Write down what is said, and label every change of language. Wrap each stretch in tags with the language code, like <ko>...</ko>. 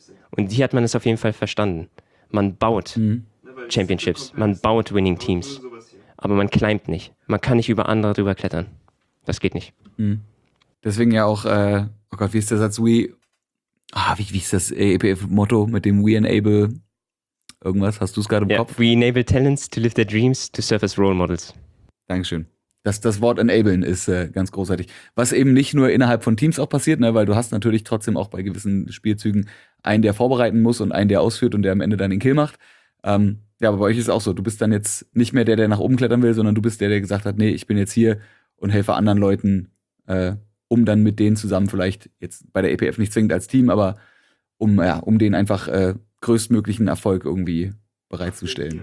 <de>Und hier hat man es auf jeden Fall verstanden. Man baut Championships, man baut Winning Teams. Aber man climbt nicht. Man kann nicht über andere drüber klettern. Das geht nicht. Deswegen ja auch, oh Gott, wie ist der Satz, wie ist das EPF-Motto mit dem We Enable irgendwas? Hast du es gerade im Kopf?</de> <en>We enable talents to live their dreams to serve as role models.</en> <de>Dankeschön. Das Wort enablen ist ganz großartig. Was eben nicht nur innerhalb von Teams auch passiert, ne, weil du hast natürlich trotzdem auch bei gewissen Spielzügen einen, der vorbereiten muss und einen, der ausführt und der am Ende dann den Kill macht. Ja, aber bei euch ist es auch so. Du bist dann jetzt nicht mehr der, der nach oben klettern will, sondern du bist der, der gesagt hat, nee, ich bin jetzt hier und helfe anderen Leuten, um dann mit denen zusammen vielleicht jetzt bei der EPF nicht zwingend als Team, aber um, ja, um denen einfach größtmöglichen Erfolg irgendwie bereitzustellen.</de>